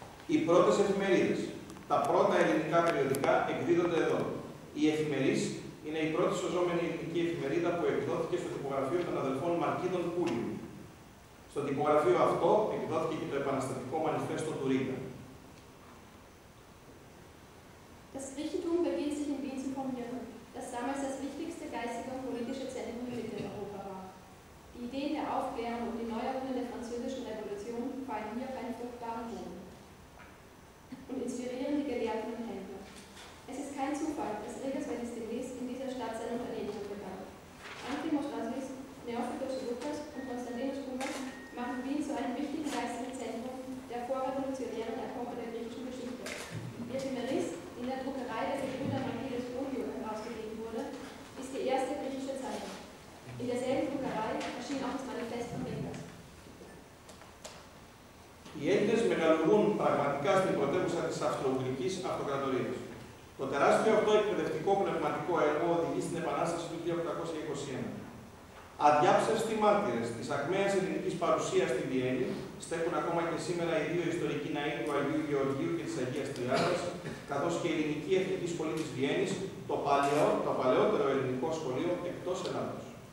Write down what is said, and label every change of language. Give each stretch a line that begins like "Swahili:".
Greek: Οι πρώτες εφημερίδες, τα πρώτα ελληνικά περιοδικά εκδίδονται εδώ. Οι Εφημερίς είναι η πρώτη σωζόμενη ελληνική εφημερίδα που εκδόθηκε στο τυπογραφείο των αδελφών Μαρκίδων Πούλιου. Στο τυπογραφείο αυτό εκδόθηκε και το επαναστατικό μανιφέστο του Ρήγα.
German: Das Richtung beginnt sich in Wien zu formieren, das damals das wichtigste geistige und politische Zentrum in Mitteleuropa war. Die Ideen der Aufklärung und die Neuerungen der französischen Revolution fallen hier auf einen fruchtbaren Boden. Und inspirieren die Gelehrten und Händler. Es ist kein Zufall, dass Rigas Vellistinis in dieser Stadt sein Unternehmen begann. Antimos Rasis, Neophytos Lukas und Konstantinos Kumas machen Wien zu einem wichtigen geistigen Zentrum der vorrevolutionären Epoche der griechischen Geschichte. Die Ephemeris, die in der Druckerei der Gebrüder Marquis Fulvio herausgegeben wurde, ist die erste griechische Zeitung. In derselben Druckerei erschien auch das Manifest von Rigas.
Greek: Οι Έλληνες μεγαλουργούν πραγματικά στην πρωτεύουσα της Αυστρο-Ουγγρικής Αυτοκρατορίας. Το τεράστιο αυτό εκπαιδευτικό πνευματικό έργο οδηγεί στην Επανάσταση του 1821. Αδιάψευστοι μάρτυρες της ακμαίας ελληνικής παρουσίας στη Βιέννη στέκουν ακόμα και σήμερα οι δύο ιστορικοί ναοί του Αγίου Γεωργίου και της Αγίας Τριάδας, καθώς και η Ελληνική Εθνική Σχολή της Βιέννης, το παλαιότερο ελληνικό σχολείο εκτός Ελλάδος.